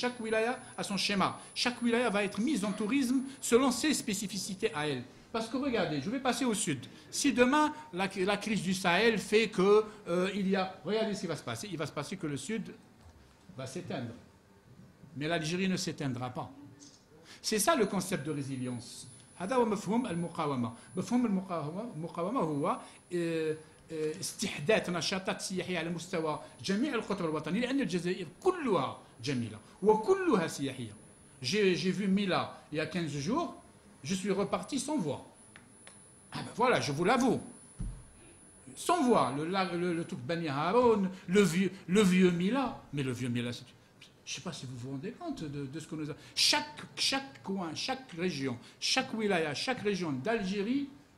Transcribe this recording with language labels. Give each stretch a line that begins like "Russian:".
French: Chaque wilaya a son schéma. Chaque wilaya va être mise en tourisme selon ses spécificités à elle. Parce que regardez, je vais passer au sud. Si demain la crise du Sahel fait que il y a... Regardez ce qui va se passer. Il va se passer que le sud va s'éteindre. Mais l'Algérie ne s'éteindra pas. C'est ça le concept de résilience.
Arabic: هذا هو مفهوم المقاومة. مفهوم المقاومة هو استحداث نشاطات سياحية على مستوى جميع القطر الوطني لأن الجزائر كلها جميلة وكلها سياحية.
French: J'ai vu Mila il y a 15 jours, je suis reparti sans voix. Ah ben voilà, je vous l'avoue. Sans voix, le Touk Beni Haroun, le vieux Mila, mais le vieux Mila, c'est... Je ne sais pas si vous vous rendez compte de ce que nous avons. Chaque coin, chaque région, chaque wilaya, chaque région d'Algérie